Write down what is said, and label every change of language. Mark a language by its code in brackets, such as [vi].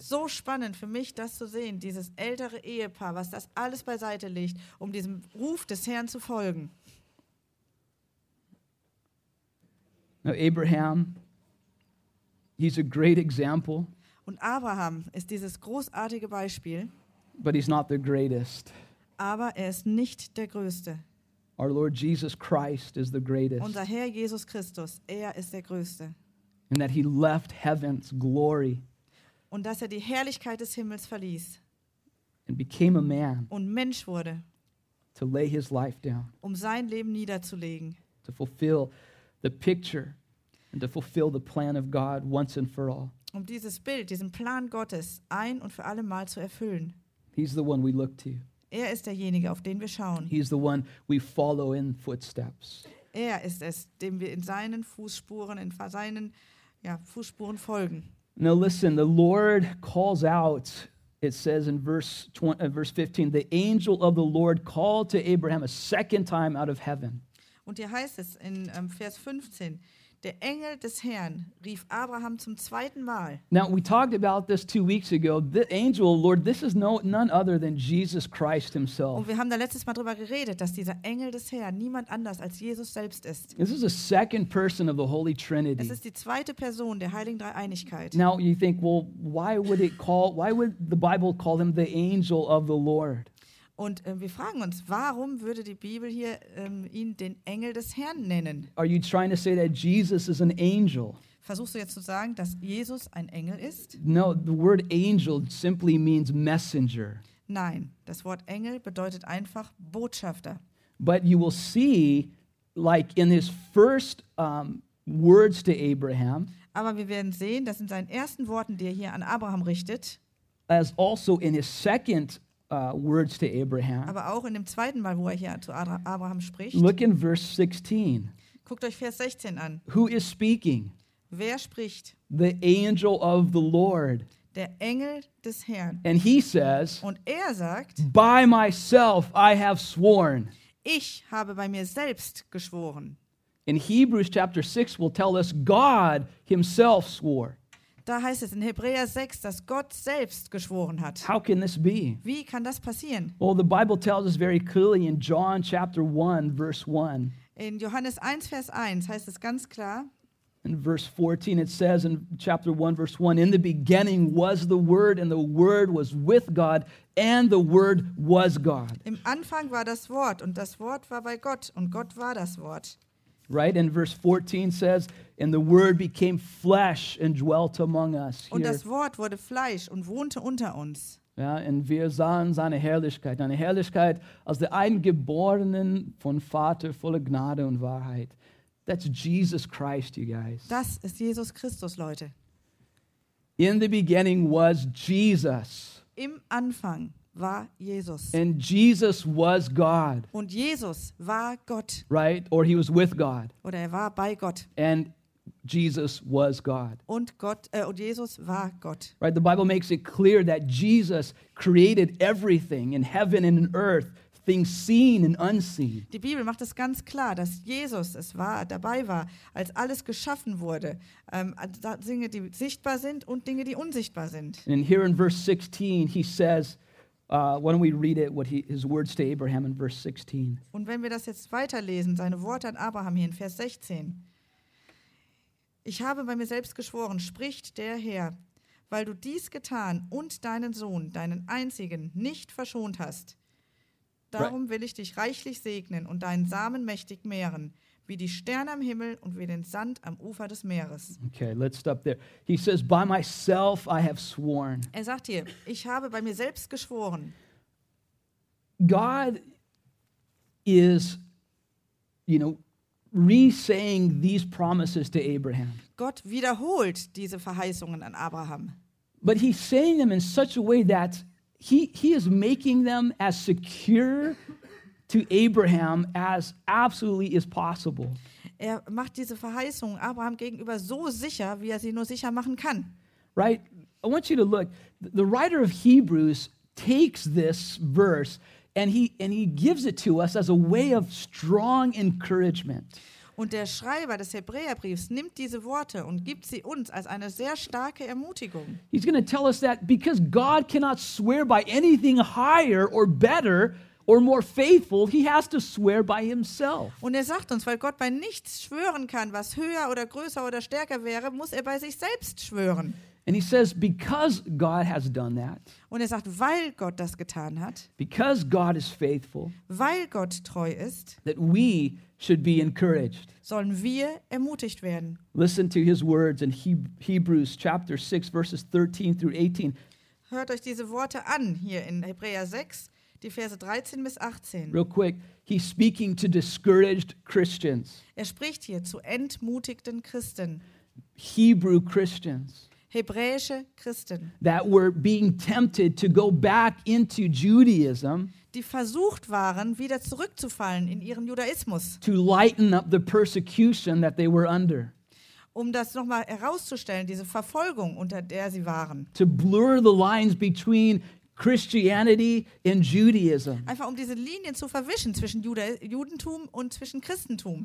[de] So spannend für mich, das zu sehen, dieses ältere Ehepaar, was das alles beiseite legt, um diesem Ruf des Herrn zu folgen. [en] Now Abraham, he's a great example. [de] Und Abraham ist dieses großartige Beispiel. [en] But he's not the greatest. [de] Aber er ist nicht der Größte. [en] Our Lord Jesus Christ is the greatest. [de] Unser Herr Jesus Christus, er ist der Größte. [en] And that he left heaven's glory. [de] Und dass er die Herrlichkeit des Himmels verließ. [en] And became a man. [de] Und Mensch wurde. [en] To lay his life down. [de] Um sein Leben niederzulegen. [en] To fulfill the picture and to fulfill the plan of God once and for all. [de] Um dieses Bild, diesen Plan Gottes ein und für alle Mal zu erfüllen. [en] He's the one we look to. [de] Er ist derjenige, auf den wir schauen. [en] He's the one we follow in footsteps. [de] Er ist es, dem wir in seinen Fußspuren, in seinen Fußspuren folgen. [en] Now listen, the Lord calls out, it says in verse 15, the angel of the Lord called to Abraham a second time out of heaven. [de] Und hier heißt es in Vers 15, der Engel des Herrn rief Abraham zum zweiten Mal. [en] Now we talked about this 2 weeks ago. The angel, Lord, this is none other than Jesus Christ himself. [de] Und wir haben da letztes Mal drüber geredet, dass dieser Engel des Herrn niemand anders als Jesus selbst ist. [en] This is the second person of the Holy Trinity. [de] Es ist die zweite Person der Heiligen Dreieinigkeit. [en] Now you think, well, why would the Bible call him the angel of the Lord? [de] Und wir fragen uns, warum würde die Bibel hier ihn den Engel des Herrn nennen? [en] Are you trying to say that Jesus is an angel? [de] Versuchst du jetzt zu sagen, dass Jesus ein Engel ist? [en] No, the word angel simply means messenger. [de] Nein, das Wort Engel bedeutet einfach Botschafter. [en] But you will see, like in his first words to Abraham. [de] Aber wir werden sehen, dass in seinen ersten Worten, die er hier an Abraham richtet, [en] as also in his second words to Abraham. [de] Aber auch in dem zweiten Mal, wo er hier zu Abraham spricht. [en] Look in verse 16. [de] Guckt euch Vers 16 an. [en] Who is speaking? [de] Wer spricht? [en] The angel of the Lord. [de] Der Engel des Herrn. [en] And he says, [de] und er sagt, [en] by myself I have sworn. [de] Ich habe bei mir selbst geschworen. [en] In Hebrews chapter 6 will tell us God himself swore. [de] Da heißt es in Hebräer 6, dass Gott selbst geschworen hat. [en] How can this be? [de] Wie kann das passieren? [en] Well, the Bible tells us very clearly in John chapter 1, verse 1. [de] In Johannes 1, Vers 1 heißt es ganz klar. [en] In verse 14, it says in chapter 1, verse 1, in the beginning was the Word, and the Word was with God, and the Word was God. [de] Im Anfang war das Wort, und das Wort war bei Gott, und Gott war das Wort. [en] Right, and verse 14 says, and the Word became flesh and dwelt among us. Here. [de] Und das Wort wurde Fleisch und wohnte unter uns. Ja, und wir sahen seine Herrlichkeit, eine Herrlichkeit als der Eingeborenen von Vater, voller Gnade und Wahrheit. [en] That's Jesus Christ, you guys. [de] Das ist Jesus Christus, Leute. [en] In the beginning was Jesus. [de] Im Anfang war Jesus. [en] And Jesus was God. [de] Und Jesus war Gott. [en] Right? Or he was with God. [de] Oder er war bei Gott. [en] And Jesus was God. [de] Und Jesus war Gott. [en] Right? The Bible makes it clear that Jesus created everything in heaven and in earth. Things seen and unseen. [de] Die Bibel macht es ganz klar, dass Jesus es war, dabei war, als alles geschaffen wurde. Dinge, die sichtbar sind und Dinge, die unsichtbar sind. [en] And here in verse 16, he says, why don't we read it, his words to Abraham in verse 16. [de] Und wenn wir das jetzt weiterlesen, seine Worte an Abraham hier in Vers 16. Ich habe bei mir selbst geschworen, spricht der Herr, weil du dies getan und deinen Sohn, deinen einzigen, nicht verschont hast. Darum will ich dich reichlich segnen und deinen Samen mächtig mehren, wie die Sterne am Himmel und wie den Sand am Ufer des Meeres. [en] Okay, let's stop there. He says, by myself I have sworn. [de] Er sagt hier, ich habe bei mir selbst geschworen. [en] God is, you know, re-saying these promises to Abraham. [de] Gott wiederholt diese Verheißungen an Abraham. [en] But he's saying them in such a way that He is making them as secure to Abraham as absolutely is possible. [de] Er macht diese Verheißung Abraham gegenüber so sicher, wie er sie nur sicher machen kann. [en] Right? I want you to look. The writer of Hebrews takes this verse and he gives it to us as a way of strong encouragement. [de] Und der Schreiber des Hebräerbriefs nimmt diese Worte und gibt sie uns als eine sehr starke Ermutigung. [en] He's going to tell us that because God cannot swear by anything higher or better or more faithful, he has to swear by himself. [de] Und er sagt uns, weil Gott bei nichts schwören kann, was höher oder größer oder stärker wäre, muss er bei sich selbst schwören. [en] And he says, because God has done that. [de] Und er sagt, weil Gott das getan hat. [en] Because God is faithful. [de] Weil Gott treu ist. [en] That we should be encouraged. [de] Sollen wir ermutigt werden? [en] Listen to his words in Hebrews chapter 6, verses 13 through 18. [de] Hört euch diese Worte an hier in Hebräer 6, die Verse 13 bis 18. [en] Real quick, he's speaking to discouraged Christians. [de] Er spricht hier zu entmutigten Christen. [en] Hebrew Christians. [de] Hebräische Christen. [en] That were being tempted to go back into Judaism. [de] Die versucht waren, wieder zurückzufallen in ihren Judaismus. [en] To lighten up the persecution that they were under. [de] Um das nochmal herauszustellen, diese Verfolgung, unter der sie waren. [en] To blur the lines between Christianity and Judaism. [de] Einfach um diese Linien zu verwischen zwischen Judentum und zwischen Christentum.